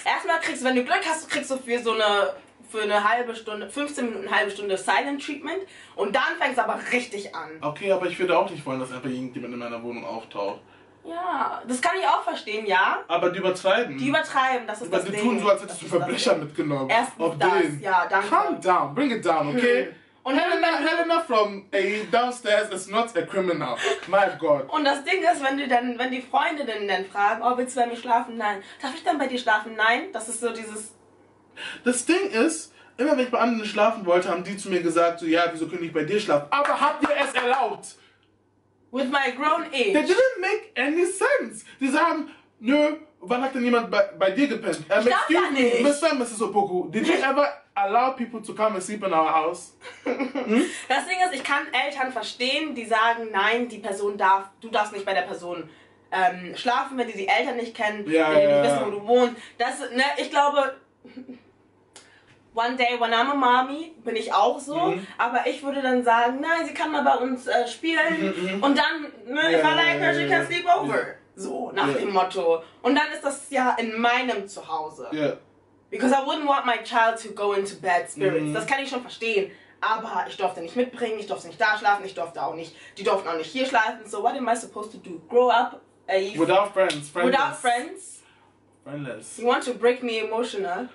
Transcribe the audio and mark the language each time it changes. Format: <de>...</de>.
<de>Erstmal kriegst du, wenn du Glück hast, kriegst du für so eine, für eine halbe Stunde, 15 Minuten, eine halbe Stunde Silent Treatment und dann fängst du aber richtig an. Okay, aber ich würde auch nicht wollen, dass einfach irgendjemand in meiner Wohnung auftaucht. Ja, das kann ich auch verstehen, ja. Aber die übertreiben. Die übertreiben, das ist das Ding. Die tun so, als hättest du Verbrecher mitgenommen. Erstens auf das, den. Ja, danke.</de> <en>Calm down, bring it down, okay?</en> <de>Und</de> <en>Helena from A downstairs is not a criminal. My God.</en> <de>Und das Ding ist, wenn die Freundinnen dann fragen, oh, willst du bei mir schlafen? Nein. Darf ich dann bei dir schlafen? Nein. Das ist so dieses... Das Ding ist, immer wenn ich bei anderen schlafen wollte, haben die zu mir gesagt, so, ja, wieso könnte ich bei dir schlafen? Aber habt ihr es erlaubt?</de> <en>With my grown age. They didn't make any sense.</en> <de>Die sagen, nö, wann hat denn jemand bei dir gepennt? Ich darf ja nicht.</de> <en>Mr. and Mrs. Opoku, did you ever... Allow people to come and sleep in our house.</en> <de>Das Ding ist, ich kann Eltern verstehen, die sagen, nein, die Person darf, du darfst nicht bei der Person schlafen, wenn die Eltern nicht kennen, ja, die ja, wissen, wo du wohnst. Das, ne, ich glaube,</de> <en>One day when I'm a mommy,</en> <de>bin ich auch so. Mhm. Aber ich würde dann sagen, nein, sie kann mal bei uns spielen. Mhm. Und dann, ne,</de> <en>yeah, if I like her, she can sleep over. Yeah.</en> <de>So, nach dem Motto. Und dann ist das ja in meinem Zuhause.</de> <en>Yeah. Because I wouldn't want my child to go into bad spirits. Mhm.</en> <de>Das kann ich schon verstehen. Aber ich durfte nicht mitbringen, ich durfte nicht da schlafen, ich durfte auch nicht, die durften auch nicht hier schlafen.</de> <en>So, what am I supposed to do? Grow up, Eve? Without friends. Friendless. Without friends. Friendless. You want to break me emotional?</en>